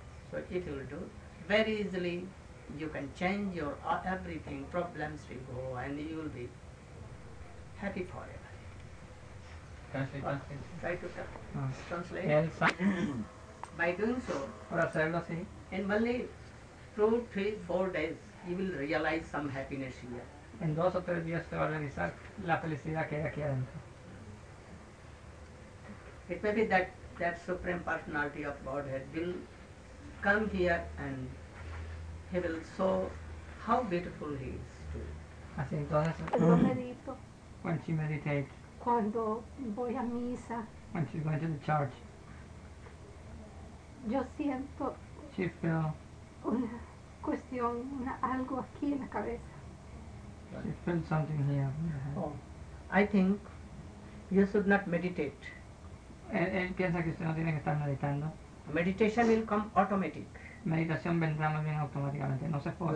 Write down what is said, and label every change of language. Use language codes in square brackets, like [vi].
[en] So it will do very easily. You can change your everything, problems will go, and you will be happy forever. Translate. By doing so, [es] por hacerlo así, [en] in only 2, 3, 4 days, you will realize some happiness here. [es] En 2 o 3 días te va a realizar la felicidad que hay aquí adentro. [en] It may be that Supreme Personality of Godhead will come here and he will show how beautiful he is too. [es] Así entonces, [en] when she meditates, [es] cuando voy a misa, [en] when she's going to the church, [es] yo siento, [en] she feels [es] una cuestión, una algo aquí en la cabeza. [en] She feels something here in the head. Oh, I think you should not meditate. [es] Él piensa que usted no tiene que estar meditando. [en] Meditation will come automatic. [es] Meditación vendrá más bien automáticamente, no se puede.